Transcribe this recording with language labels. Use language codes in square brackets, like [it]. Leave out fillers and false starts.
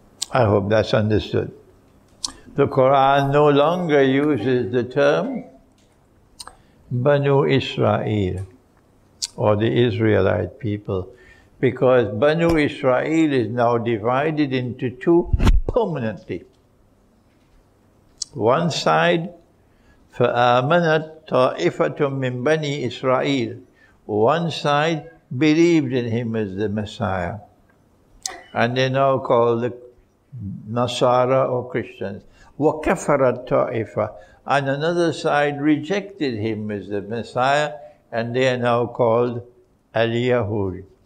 [en] I hope that's understood. The Quran no longer uses the term Banu Israel or the Israelite people, because Banu Israel is now divided into two permanently. One side, [ar] فَآمَنَتْ طَائِفَةٌ مِّن بَنِي إِسْرَائِيلِ. [en] One side believed in Him as the Messiah. And they now call the Nasara or Christians. [ar] وَكَفَرَتْ طَائِفَةٌ. [en] And another side rejected Him as the Messiah, and they are now called Al-Yahud.